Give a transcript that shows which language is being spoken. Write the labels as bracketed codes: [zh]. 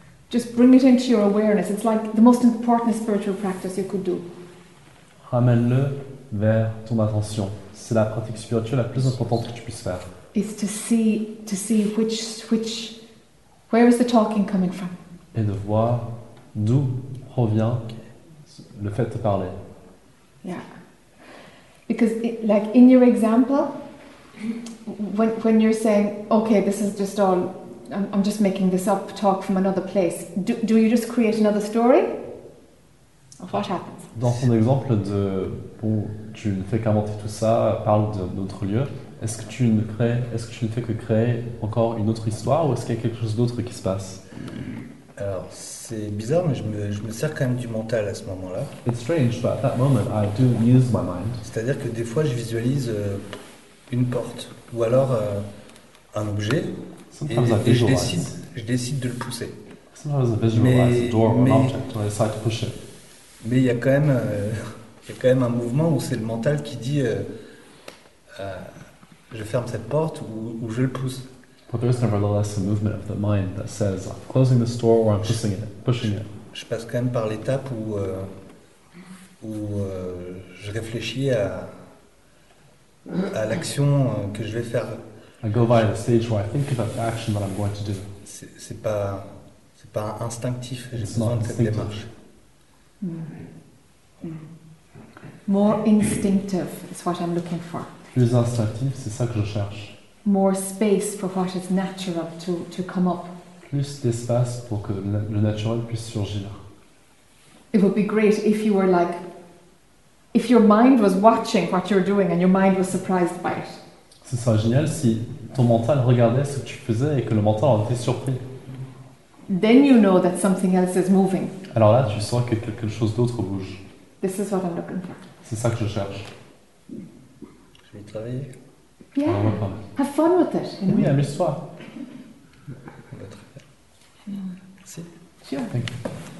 [en] Just bring it into your awareness. It's like the most important spiritual practice you could do. [fr] Ramène-le vers ton attention. C'est la pratique spirituelle la plus importante que tu puisses faire. [en] It's to see which where is the talking coming from? [fr] Et de voir d'où provient le fait de parler. [en] Yeah. Because in your example, when you're saying, okay, this is just all, I'm just making this up, talk from another place, do you just create another story? Of what happens? [fr] Dans ton exemple de, bon, tu ne fais qu'inventer tout ça, parle d'un autre lieu, est-ce que tu ne fais que créer encore une autre histoire ou est-ce qu'il y a quelque chose d'autre qui se passe? Alors, c'est bizarre, mais je me sers quand même du mental à ce moment-là. [en] It's strange, but at that moment, I do use my mind. [fr] C'est-à-dire que des fois, je visualise une porte ou alors un objet et je décide de le pousser. [en] Sometimes I visualize a door or an object and I decide to push it. [fr] Mais il y a quand même un mouvement où c'est le mental qui dit je ferme cette porte ou je le pousse. [en] But there is nevertheless a movement of the mind that says I'm closing this door or I'm pushing it. [fr] Je passe quand même par l'étape où je réfléchis à l'action que je vais faire. [en] I go by the stage where I think about the action that I'm going to do. [fr] C'est pas instinctif. J'ai besoin de cette démarche. [en] More instinctive is what I'm looking for. [fr] Plus instinctif, c'est ça que je cherche. [en] More space for what is natural to come up. [fr] Plus d'espace pour que le naturel puisse surgir. [en] It would be great if you were like, if your mind was watching what you're doing and your mind was surprised by it. [fr] Ce serait génial si ton mental regardait ce que tu faisais et que le mental en était surpris. [en] Then you know that something else is moving. [fr] Alors là, tu sens que quelque chose d'autre bouge. [en] This is what I'm looking for. [fr] C'est ça que je cherche. Je vais travailler. [en] Yeah. Have fun with it. [fr] Oui, amuse-toi. On va très bien. Merci. [en] Sure. Thank you.